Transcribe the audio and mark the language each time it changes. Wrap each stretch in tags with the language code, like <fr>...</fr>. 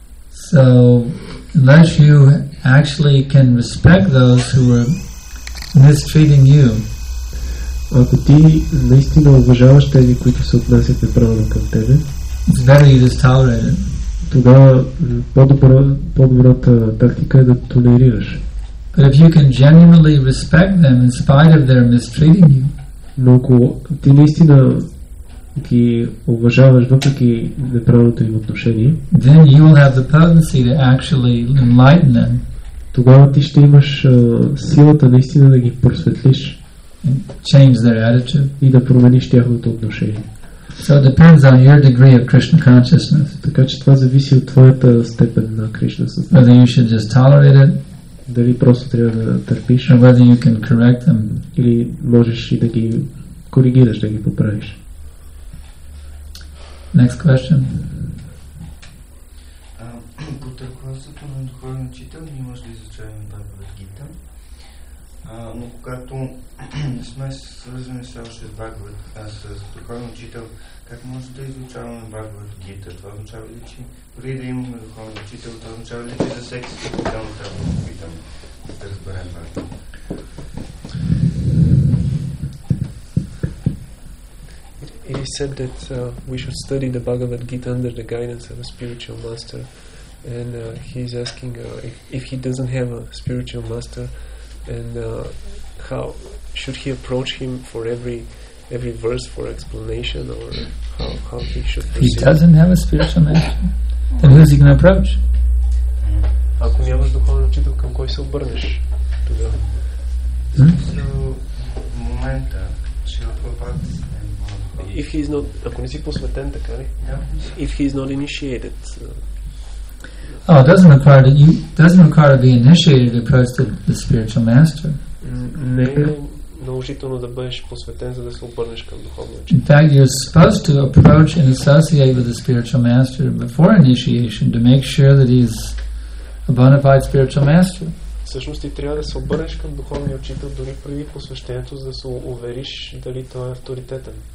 <en>So, unless you actually can respect those who are mistreating you,</en> <bg>ако ти наистина уважаваш тези, които се отнасят неправилно към тебе,</bg> <en>it's better you just tolerate it.</en> <bg>Тогава по-добрата тактика е да толерираш.</bg> <en>But if you can genuinely respect them in spite of their mistreating you,</en> <bg>но ако ти наистина ги уважаваш въпреки неправилното им отношение,</bg> <en>then you will have the potency to actually enlighten them.</en> <bg>Тогава ти ще имаш силата наистина да ги просветлиш,</bg> <en>and change their attitude.</en> <bg>И да промениш тяхното отношение.</bg> <en>So it depends on your degree of Krishna consciousness.</en> <bg>Така че това зависи от твоята степен на Кришна съзнание.</bg> <en>Whether you should just tolerate it,</en> <bg>дали просто трябва да търпиш,</bg> <en>or whether you can correct them,</en> <bg>или можеш и да ги коригираш, да ги поправиш.</bg> <en>Next question.</en> <bg>Под ръководството на духовен учител ние може да изучаваме Бхагавад Гита, но когато не сме свързани все още с Бхагавад, с духовен учител, как може да изучаваме Бхагавад Гита? Това означава ли, че дори да имаме духовен учител, това означава ли, че за всеки си отделно трябва да попитам да разберем Бхагавад Гита?</bg> <en>He said that we should study the Bhagavad Gita under the guidance of a spiritual master. And he's asking if he doesn't have a spiritual master, and how should he approach him for every verse for explanation, or how he should proceed? He doesn't have a spiritual master. Then who is he going to approach?</en> <bg>Ако нямаш духовен учител, към кой се обърнеш тогава? В момента, че Прабхупад</bg> <en>If he is not,</en> <bg>ако не си посветен, така ли?</bg> <en>Yeah. If he is not initiated. Oh, it doesn't require that you doesn't require to be initiated to approach the spiritual master. In fact, you're supposed to approach and associate with the spiritual master before initiation to make sure that he's a bona fide spiritual master.</en> <bg>Всъщност ти трябва да се обърнеш към духовния учител дори преди посвещението, за да се увериш дали той е авторитетен.</bg>